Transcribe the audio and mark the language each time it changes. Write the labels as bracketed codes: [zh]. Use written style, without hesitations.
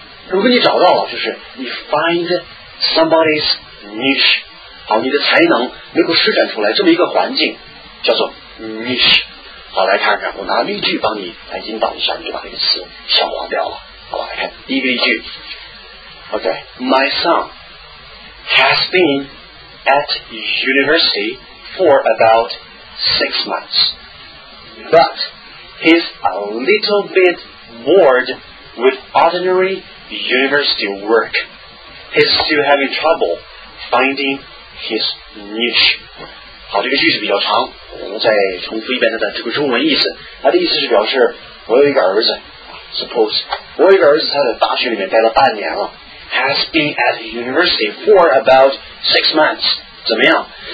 [zh] 如果你找到了，就是你 find somebody's niche。好，你的才能能够施展出来这么一个环境，叫做 niche。好，来看看，我拿例句帮你来引导一下，你就把这个词消化掉了。好吧，来看第一个例句。 [en] OK， My son has been at university for about 6 months, but he's a little bit bored with ordinary university work. He's still having trouble finding his niche. [zh] 好，这个句子比较长，我们再重复一遍它的这个中文意思。它的意思是表示，我有一个儿子 ，suppose 我有一个儿子，他在大学里面待了半年了 ， [en] has been at university for about 6 months， [zh] 怎么样？